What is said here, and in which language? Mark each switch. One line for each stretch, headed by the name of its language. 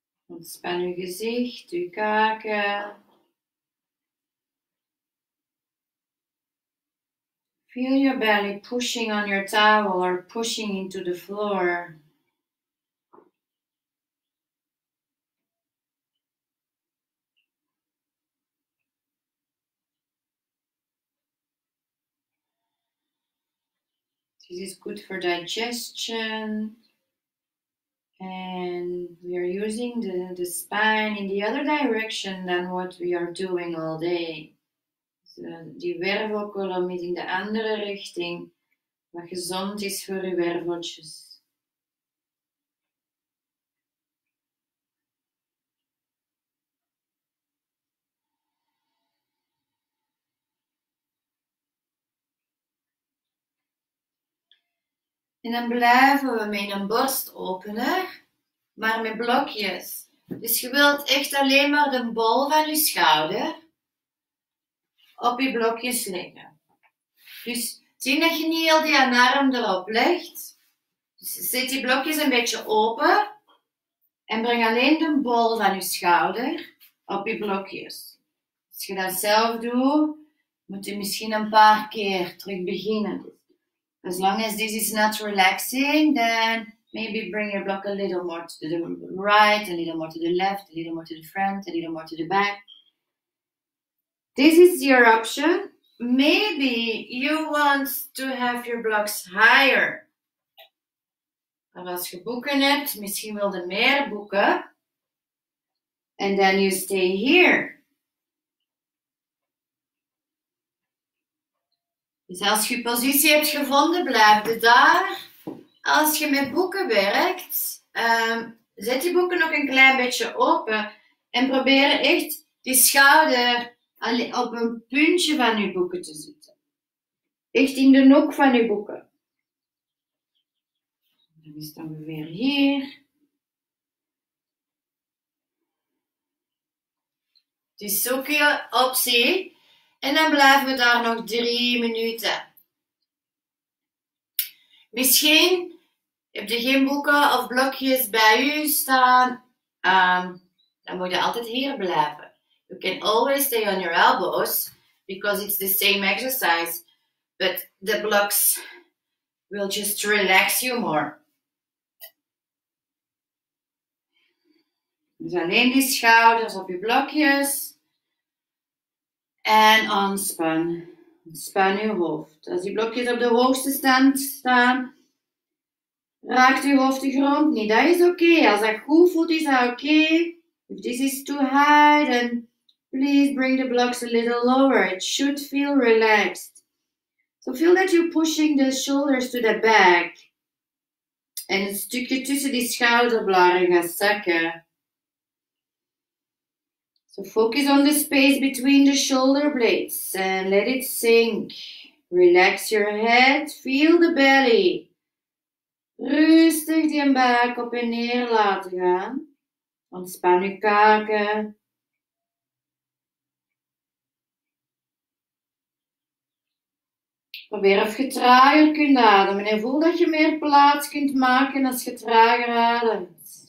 Dutch: Ontspan uw gezicht, uw kaken.
English: Feel your belly pushing on your towel or pushing into the floor. This is good for digestion. And we are using the spine in the other direction than what we are doing all day.
Dutch: So, die wervelkolom is in de andere richting, wat gezond is voor uw werveltjes. En dan blijven we met een borst opener, maar met blokjes. Dus je wilt echt alleen maar de bol van je schouder op je blokjes leggen. Dus zie dat je niet al die arm erop legt. Dus zet die blokjes een beetje open en breng alleen de bol van je schouder op je blokjes. Als je dat zelf doet, moet je misschien een paar keer terug beginnen.
English: As long as this is not relaxing, then maybe bring your block a little more to the right, a little more to the left, a little more to the front, a little more to the back. This is your option. Maybe you want to have your blocks higher.
Dutch: Als je boeken hebt, misschien wil je meer boeken.
English: And then you stay here.
Dutch: Dus als je je positie hebt gevonden, blijf je daar. Als je met boeken werkt, zet die boeken nog een klein beetje open. En probeer echt die schouder op een puntje van je boeken te zitten. Echt in de hoek van je boeken. Dan is het dan weer hier. Dus zoek je optie. En dan blijven we daar nog 3 minuten. Misschien heb je geen boeken of blokjes bij u staan. Dan moet je altijd hier blijven.
English: You can always stay on your elbows, because it's the same exercise. But the blocks will just relax you more.
Dutch: Dus alleen die schouders op je blokjes. En ontspan. Span je hoofd. Als die blokjes op de hoogste stand staan, raakt je hoofd de grond niet. Dat is oké. Okay. Als dat goed voelt, is dat oké.
English: Okay. If this is too high, then please bring the blocks a little lower. It should feel relaxed. So feel that you're pushing the shoulders to the back.
Dutch: En een stukje tussen die schouderbladen gaan zakken.
English: So focus on the space between the shoulder blades and let it sink. Relax your head, feel the belly.
Dutch: Rustig die buik op en neer laten gaan. Ontspan je kaken. Probeer of je trager kunt ademen en voel dat je meer plaats kunt maken als je trager ademt.